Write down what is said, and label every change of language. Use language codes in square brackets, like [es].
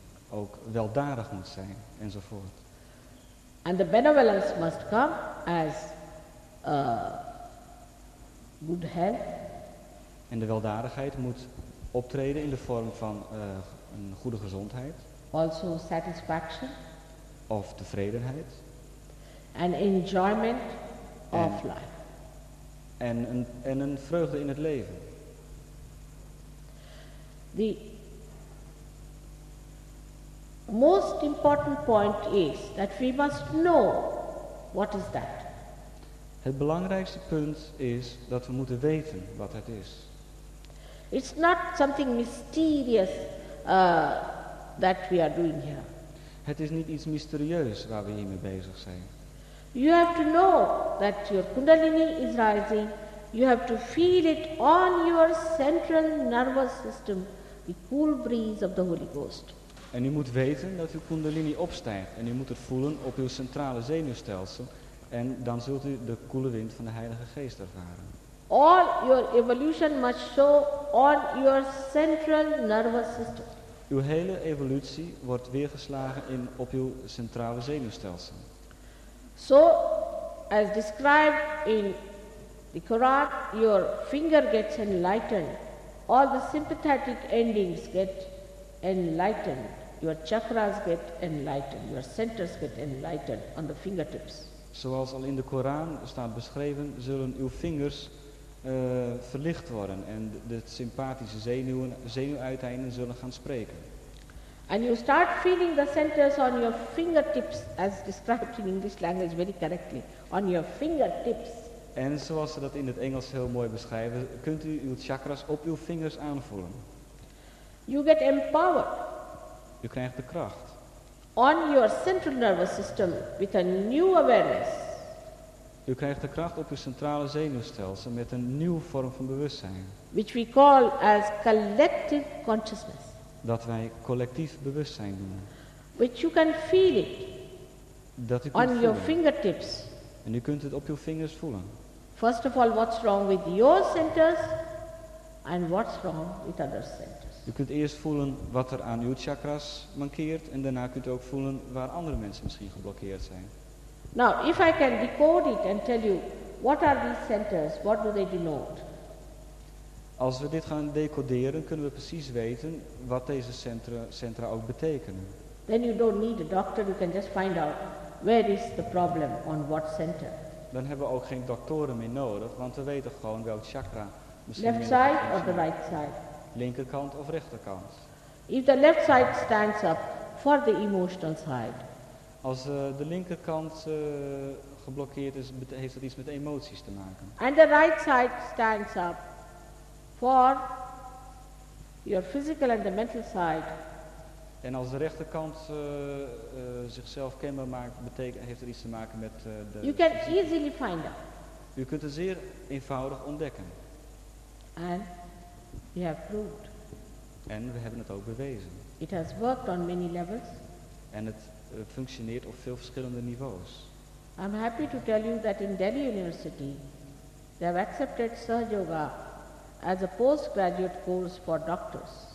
[nl] ook weldadig moet zijn enzovoort. [en] And the benevolence must come as good health. [nl] En de weldadigheid moet optreden in de vorm van een goede gezondheid. [en] Also satisfaction. [nl] Of tevredenheid. [en] And enjoyment of life. [nl] En een vreugde in het leven. [en] The most important point is that we must know what is that. [nl] Het belangrijkste punt is dat we moeten weten wat het is. [en] It's not something mysterious that we are doing here. [nl] Het is niet iets mysterieus waar we hiermee bezig zijn. [en] You have to know that your kundalini is rising. You have to feel it on your central nervous system, the cool breeze of the Holy Ghost. [nl] En u moet weten dat uw kundalini opstijgt en u moet het voelen op uw centrale zenuwstelsel en dan zult u de koele wind van de Heilige Geest ervaren. [en] All your evolution must show on your central nervous system. [nl] Uw hele evolutie wordt weergeslagen in op uw centrale zenuwstelsel. [en] So, as described in the Quran, your finger gets enlightened. All the sympathetic endings get enlightened. Your chakras get enlightened. Your centers get enlightened on the fingertips. [nl] Zoals al in de Koran staat beschreven, zullen uw vingers verlicht worden en de sympathische zenuwuiteinden zullen gaan spreken. [en] And you start feeling the centers on your fingertips, as described in English language very correctly, on your fingertips. [nl] En zoals ze dat in het Engels heel mooi beschrijven, kunt u uw chakras op uw vingers aanvoelen. [en] You get empowered. [nl] U krijgt de kracht. [en] On your central nervous system with a new awareness. [nl] U krijgt de kracht op uw centrale zenuwstelsel met een nieuwe vorm van bewustzijn. [en] Which we call as collective consciousness. [nl] Dat wij collectief bewustzijn noemen. [en] Which you can feel it. [nl] Dat u kunt voelen. [en] Your fingertips. [nl] En u kunt het op uw vingers voelen. [en] First of all, what's wrong with your centers and what's wrong with other centers. [nl] U kunt eerst voelen wat er aan uw chakras mankeert en daarna kunt u ook voelen waar andere mensen misschien geblokkeerd zijn. [en] Now, if I can decode it and tell you, what are these centers, what do they denote? [nl] Als we dit gaan decoderen, kunnen we precies weten wat deze centra ook betekenen. [en] Then you don't need a doctor, you can just find out. Where is the problem on what center? [nl] Dan hebben we ook geen doktoren meer nodig, want we weten gewoon welk chakra. [en] Left side or the right side? [nl] Linkerkant of rechterkant. [en] If the left side stands up for the emotional side. [nl] Als de linkerkant geblokkeerd is, heeft dat iets met emoties te maken. [en] And the right side stands up for your physical and the mental side. [nl] En als de rechterkant zichzelf kenbaar maakt, heeft er iets te maken met de. [en] You can easily find out. [nl] U kunt het zeer eenvoudig ontdekken. [en] And we have proved. [nl] En we hebben het ook bewezen. [en] It has worked on many levels. [nl] En het functioneert op veel verschillende niveaus. [en] I'm happy to tell you that in Delhi University they have accepted Sahaja Yoga as a postgraduate course for doctors.